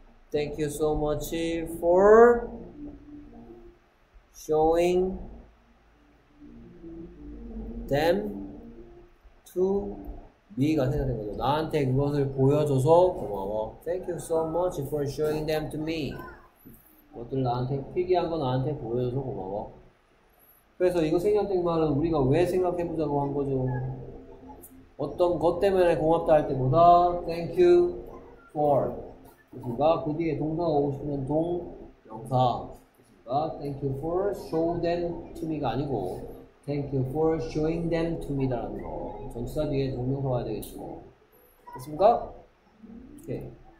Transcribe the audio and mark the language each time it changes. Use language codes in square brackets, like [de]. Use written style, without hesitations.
[en] Thank you so much for showing them to me [ko] 가 생각된 거죠. 나한테 그것을 보여줘서 고마워. [en] Thank you so much for showing them to me. [ko] 그것들 나한테 필기한 거 나한테 보여줘서 고마워. 그래서 이거 생각된 말은 우리가 왜 생각해보자고 한 거죠. 어떤 것 때문에 고맙다 할 때보다 [en] Thank you for 그니까 그 뒤에 동사가 오고 싶으면 동 명사 그니까 Thank you for show them to me [ko] 가 아니고 [en] Thank you for showing them to me [ko] 라는 거 전치사 뒤에 동명사 와야 되겠죠. 됐습니까? 오케이.